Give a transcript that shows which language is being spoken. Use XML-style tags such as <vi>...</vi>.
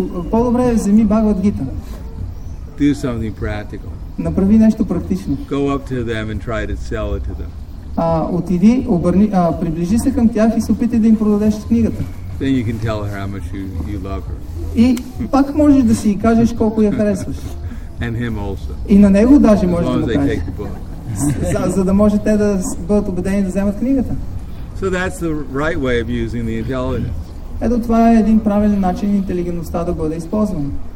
<bg>По-добре вземи Bhagavad Gita.</bg> <en>Do something practical.</en> <bg>Направи нещо практично.</bg> <en>Go up to them and try to sell it to them.</en> <bg>Отиди, обърни, приближи се към тях и се опитай да им продадеш книгата.</bg> <en>Then you can tell her how much you love her.</en> <bg>И пак можеш да си кажеш колко я харесваш.</bg> <en>And him also.</en> <bg>И на него даже можеш да му кажеш.</bg> <en>As long as they take the book.</en> <bg>За да може те да бъдат убедени да вземат книгата.</bg> <en>So that's the right way of using the intelligence.</en> <bg>Ето това е един правилен начин интелигентността да бъде използвана.</bg>